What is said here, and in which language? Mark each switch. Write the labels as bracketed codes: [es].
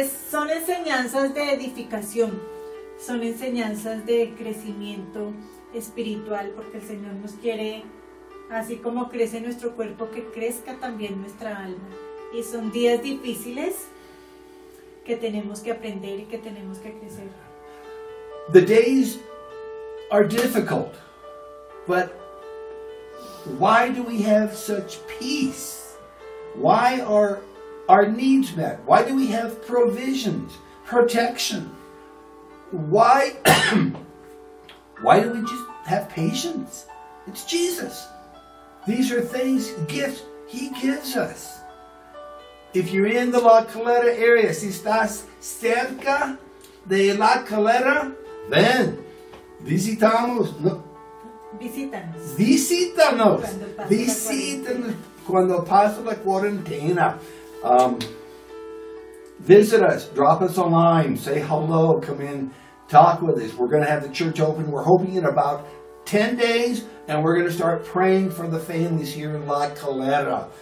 [es] Son enseñanzas de edificación. Son enseñanzas de crecimiento espiritual, porque el Señor nos quiere. Así como crece nuestro cuerpo, que crezca también nuestra alma. Y son días difíciles que tenemos que aprender y que tenemos que crecer. [en] The days are difficult, but why do we have such peace? Why are our needs met? Why do we have provisions, protection? Why, why do we just have patience? It's Jesus. These are things, gifts He gives us. If you're in the La Calera area, [es] si estás cerca de La Calera, ven, visitamos. No. Visítanos. Visítanos cuando pase la cuarentena. [en] Visit us, drop us a line, say hello, come in, talk with us. We're going to have the church open. We're hoping in about 10 days, and we're going to start praying for the families here in La Calera.